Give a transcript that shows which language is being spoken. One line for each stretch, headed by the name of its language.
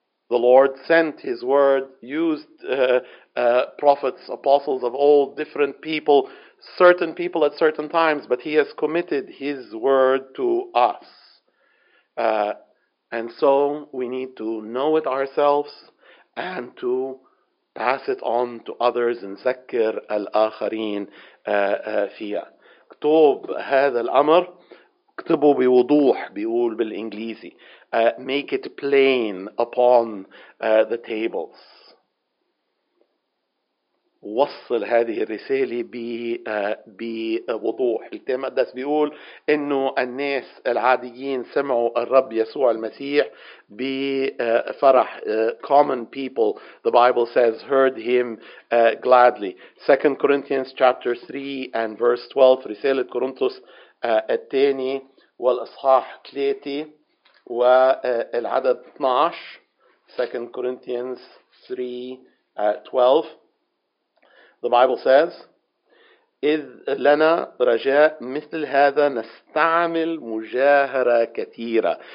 English: The Lord sent His word, used prophets, apostles of old, different people, certain people at certain times, but He has committed His word to us. And so we need to know it ourselves and to pass it on to others.
Arabic: نذكر الآخرين فيها. اكتب هذا الأمر، اكتبه بوضوح، بيقول بالإنجليزي.
English: Make it plain upon the tables.
Arabic: وصل هذه الرسالة بوضوح. الكتاب المقدس بيقول إنه الناس العاديين سمعوا الرب يسوع المسيح بفرح.
English: Common people, the Bible says, heard him gladly. 2 Corinthians chapter 3 and verse 12.
Arabic: رسالة كورنثوس الثاني والإصحاح 3 والعدد 12.
English: 2 Corinthians 3:12. The Bible says,
Arabic: إذ لنا رجاء مثل هذا نستعمل مجاهرة كثيرة.